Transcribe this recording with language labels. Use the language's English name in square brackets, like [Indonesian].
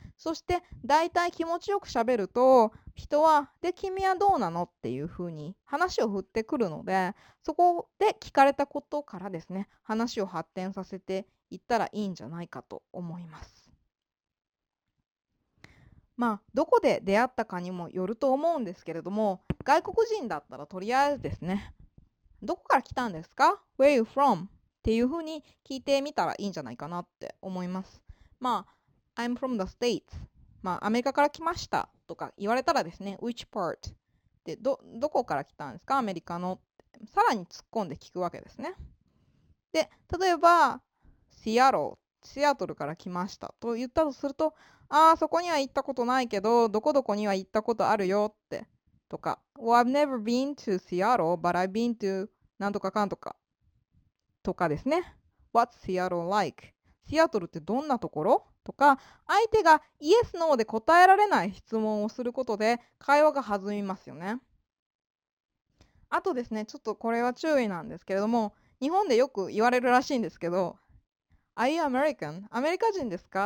[Japanese] そして、大体気持ちよく喋ると、人は、で、君はどうなの？っていうふうに話を振ってくるので、そこで聞かれたことからですね、話を発展させていったらいいんじゃないかと思います。まあ、どこで出会ったかにもよると思うんですけれども、外国人だったらとりあえずですね、どこから来たんですか？ [English] Where you from？ [Japanese] っていうふうに聞いてみたらいいんじゃないかなって思います。 [English] まあ、I'm from the States。 [Japanese] まあ、アメリカから来ましたとか言われたらですね、 [English] Which part？ [Japanese] で、どこから来たんですか？アメリカの。さらに突っ込んで聞くわけですね。で、例えば、シアトルから来ましたと言ったとすると、ああ、そこには行ったことないけど、どこどこには行ったことあるよって。 [English] とか、Well, I've never been to Seattle, but I've been to [Japanese] なんとかかんとか。とかですね。 [English] What's Seattle like? [Japanese] シアトルってどんなところ？とか、相手がイエス・ノーで答えられない質問をすることで会話が弾みますよね。あとですね、ちょっとこれは注意なんですけれども、日本でよく言われるらしいんですけど、 [English] Are you American? [Japanese] アメリカ人ですか？